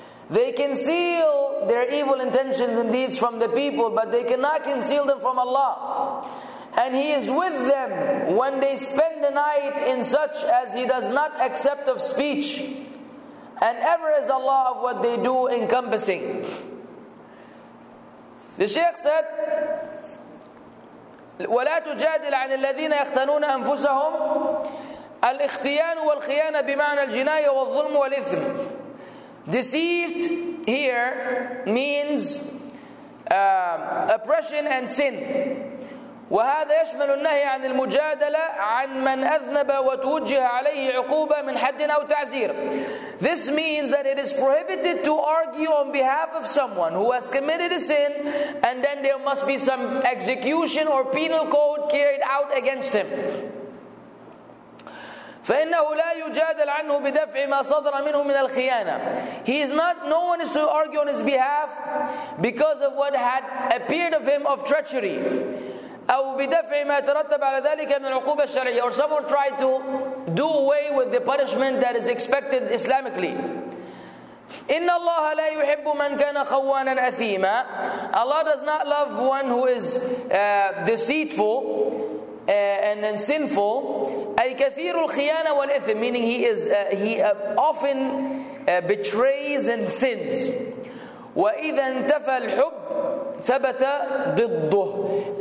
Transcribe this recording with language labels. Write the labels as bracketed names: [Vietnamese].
[English] They conceal their evil intentions and deeds from the people, but they cannot conceal them from Allah. And He is with them when they spend the night in such as He does not accept of speech. And ever is Allah of what they do encompassing. The Shaykh said, [Arabic] وَلَا تُجَادِلْ عَنِ الَّذِينَ يَخْتَنُونَ أَنفُسَهُمْ الْإِخْتِيَانُ وَالْخِيَانَ بِمَعْنَى الْجِنَايَ وَالظُّلْمُ وَالْإِثْمِ. [English] Deceived here means oppression and sin. [Arabic] وَهَذَا يَشْمَلُ النَّهِي عَنِ الْمُجَادَلَ عَنْ مَنْ أَذْنَبَ وَتُوجِّهَ عَلَيْهِ عُقُوبَ مِنْ حَدٍ أَوْ تَعْزِيرٍ. [English] This means that it is prohibited to argue on behalf of someone who has committed a sin, and then there must be some execution or penal code carried out against him. [Arabic] فَإِنَّهُ لَا يُجَادَلْ عَنْهُ بِدَفْعِ مَا صَدْرَ مِنْهُ مِنَ الْخِيَانَةِ. [English] He is not, no one is to argue on his behalf because of what had appeared of him of treachery. [Arabic] أو بدفع ما ترتب على ذلك من العقوبة الشرعية. [English] Or someone tried to do away with the punishment that is expected Islamically. [Arabic] إن الله لا يحب من كان خوانا أثيما. [English] Allah does not love one who is deceitful and sinful. [Arabic] أي كثير الخيانة والإثم. [English] Meaning he often betrays and sins. [Arabic] وإذا انتفى الحب ثَبَتَ ضِدُّهُ.